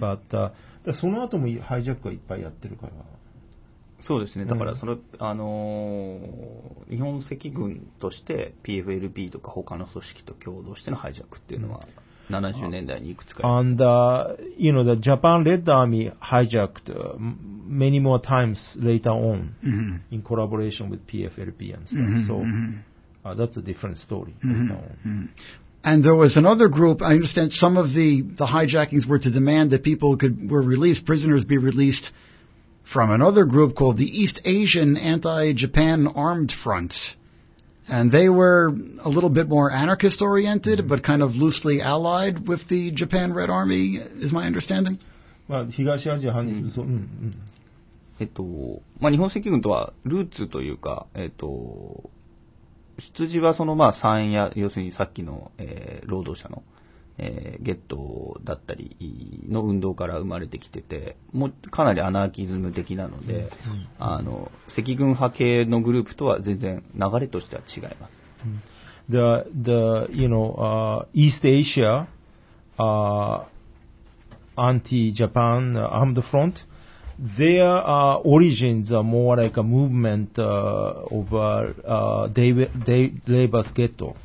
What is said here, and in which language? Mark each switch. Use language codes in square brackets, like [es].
[ja] But, だその後もハイジャックはいっぱいやってるから。そうですね。だからその、mm-hmm. 日本赤軍として PFLP とか他の組織と共同してのハイジャックっていうのは70年代にいくつか。 [en] And, you know, the Japan Red Army hijacked many more times later on、 mm-hmm. in collaboration with PFLP and stuff.、 Mm-hmm. So,that's a different story. Mm-hmm. And there was another group. I understand some of the hijackings were to demand that people prisoners be released from another group called the East Asian Anti-Japan Armed Front. And they were a little bit more anarchist oriented, mm-hmm. but kind of loosely allied with the Japan Red Army, is my understanding. [ja] Well, 東アジア反日武装。Mm-hmm. Mm-hmm. まあ、日本赤軍とはルーツというか、出自はそのまあ三夜、要するにさっきの、労働者のゲットだったりの運動から生まれてきてて、もうかなりアナーキズム的なので、うん、あの赤軍派系のグループとは全然流れとしては違います。 [en] The you know East Asia anti-Japan armed front, their origins are more like a movement of labor's ghetto.、